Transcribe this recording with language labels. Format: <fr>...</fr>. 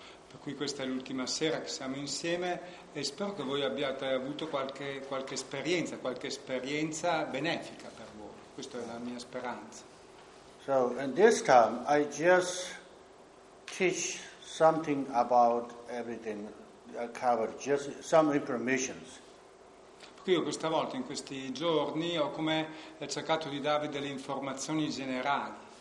<it>Per cui questa è l'ultima sera che siamo insieme e spero che voi abbiate avuto qualche esperienza benefica per voi. Questa è la mia speranza.</it> <en>So, and this time I just teach something about everything I covered, just some informations.</en> <it>Io questa volta, in questi giorni, ho come cercato di darvi delle informazioni generali.</it>